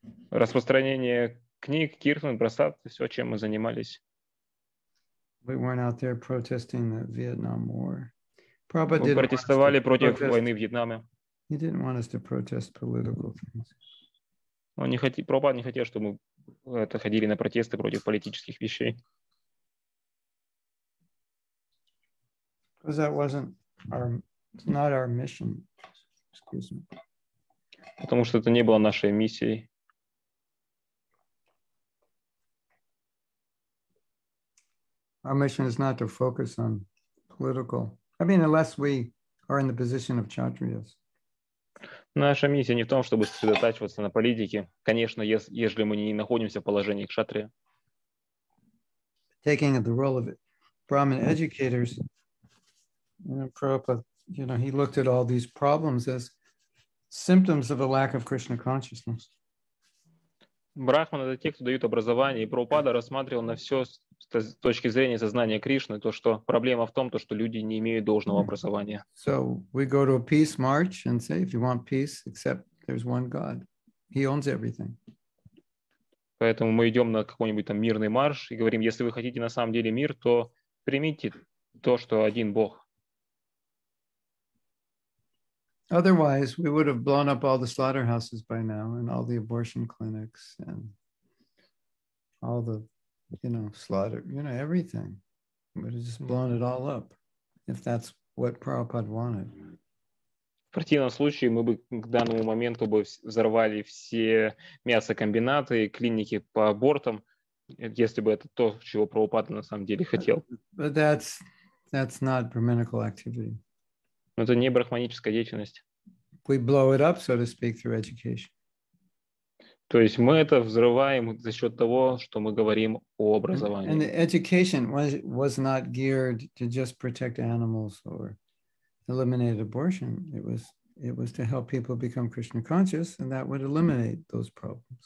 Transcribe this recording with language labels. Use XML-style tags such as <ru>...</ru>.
<ru>Распространение книг, киртан, просад, все, чем мы занимались.</ru> <en>We weren't out there protesting the Vietnam War. Prabhupada didn't</en> <ru>протестовали против</ru> <en>protest.</en> <ru>Войны в Вьетнаме.</ru> <en>He didn't want us to protest political things.</en> <ru>Он не хотел, Прабхупада не хотел, чтобы мы это ходили на протесты против политических вещей.</ru> <en>Because that wasn't our, it's not our mission.</en> <ru>Потому что это не было нашей миссией.</ru> <en>Our mission is not to focus on political. I mean, unless we are in the position of Kshatriyas.</en> <ru>Наша миссия не в том, чтобы сосредотачиваться на политике. Конечно, если мы не находимся в положении кшатрия.</ru> <en>Taking the role of Brahmin educators, you know, Prabhupada, you know, he looked at all these problems as symptoms of a lack of Krishna consciousness.</en> <ru>Брахманы — это те, кто дают образование, и Прабхупада рассматривал на все с точки зрения сознания Кришны, то, что проблема в том, то, что люди не имеют должного образования.</ru> <en>So we go to a peace march and say, if you want peace, except there's one God. He owns everything.</en> <ru>Поэтому мы идем на какой-нибудь там мирный марш и говорим, если вы хотите на самом деле мир, то примите то, что один Бог.</ru> <en>Otherwise, we would have blown up all the slaughterhouses by now and all the abortion clinics and all the, you know, slaughter, you know, everything. We would have just blown it all up if that's what Prabhupada wanted.</en> <ru>В противном случае мы бы к данному моменту бы взорвали все мясокомбинаты и клиники по абортам, если бы это то, чего Прабхупада на самом деле хотел.</ru> <en>But that's not brahminical activity.</en> <ru>Но это не брахманическая деятельность.</ru> <en>We blow it up, so to speak, through education.</en> <ru>То есть мы это взрываем за счет того, что мы говорим о образовании.</ru> <en>And the education was not geared to just protect animals or eliminate abortion. It was to help people become Krishna conscious, and that would eliminate those problems.</en>